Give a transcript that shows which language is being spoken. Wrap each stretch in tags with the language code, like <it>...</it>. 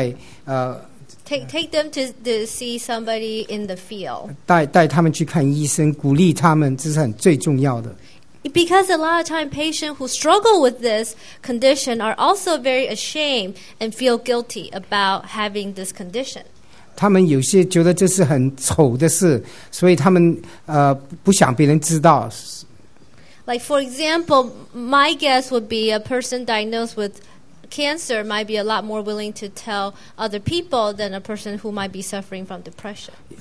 <zh>他的意思就是我们最重要是能够支持他们爱他们帮助他们如果我们能够帮助他们那是最好的就是另外take</zh> <en>them to see somebody in the field</en> <zh>带他们去看医生鼓励他们这是很最重要的</zh> <en>Because a lot of time patients who struggle with this condition are also very ashamed and feel guilty about having this condition.</en> <zh>他们有些觉得这是很丑的事，所以他们不想别人知道。</zh> <en>Like for example, my guess would be a person diagnosed with cancer might be a lot more willing to tell other people than a person who might be suffering from depression.</en>